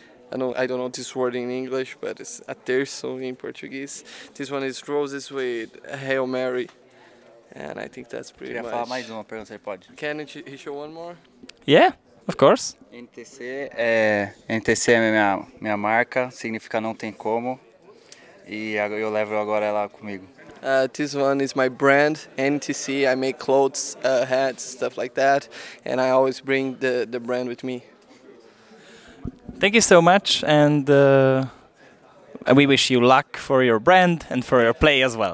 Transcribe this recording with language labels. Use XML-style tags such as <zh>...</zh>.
<en>I don't know this word in English, but it's a terço in Portuguese. This one is roses with Hail Mary, and I think that's pretty much.</en> <pt>Queria falar mais uma pergunta, ele pode?</pt> <en>Can he show one more? Yeah, of course.</en> <pt>NTC é minha marca, significa não tem como, e eu levo agora ela comigo.</pt> <en>This one is my brand, NTC. I make clothes, hats, stuff like that, and I always bring the brand with me. Thank you so much, and we wish you luck for your brand and for your play as well.</en>